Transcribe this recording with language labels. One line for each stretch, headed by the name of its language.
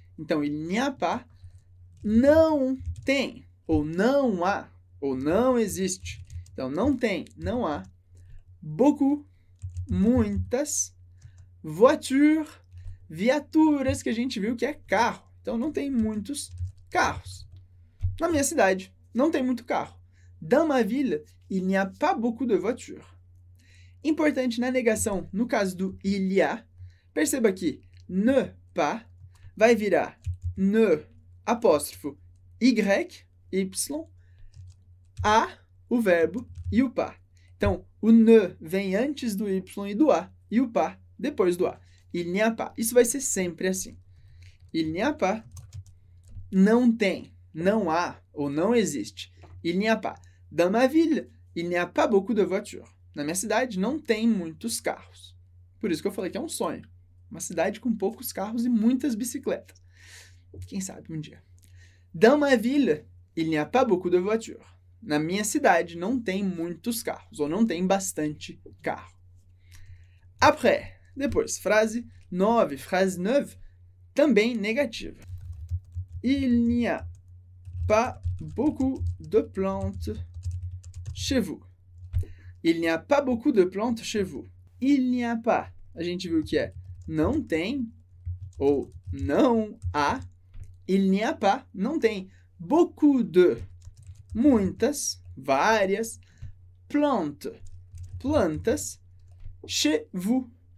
Portuguese: Então,
French: il n'y a pas
Portuguese: não tem, ou não há, ou não existe. Então, não tem, não há. Beaucoup, muitas, voitures, viaturas, que a gente viu que é carro. Então, não tem muitos carros. Na minha cidade, não tem muito carro.
French: Dans ma ville, il n'y a pas beaucoup de voitures.
Portuguese: Importante na negação, no caso do il y a, perceba que ne pas vai virar ne apóstrofo y, y, a, o verbo, e o pas. Então, o ne vem antes do y e do a, e o pas depois do a.
French: Il n'y a pas.
Portuguese: Isso vai ser sempre assim.
French: Il n'y a pas.
Portuguese: Não tem, não há, ou não existe.
French: Il n'y a pas. Dans ma ville, il n'y a pas beaucoup de voitures.
Portuguese: Na minha cidade, não tem muitos carros. Por isso que eu falei que é um sonho. Uma cidade com poucos carros e muitas bicicletas. Quem sabe um dia.
French: Dans ma ville, il n'y a pas beaucoup de voitures.
Portuguese: Na minha cidade, não tem muitos carros, ou não tem bastante carro.
French: Après,
Portuguese: depois, frase 9. Frase 9, também negativa.
French: Il n'y a pas beaucoup de plantes chez vous. Il n'y a pas beaucoup de plantes chez vous. Il n'y a pas.
Portuguese: A gente viu que é não tem ou não há.
French: Il n'y a pas.
Portuguese: Não tem.
French: Beaucoup de.
Portuguese: Muitas. Várias.
French: Plantes. Plantas. Chez vous.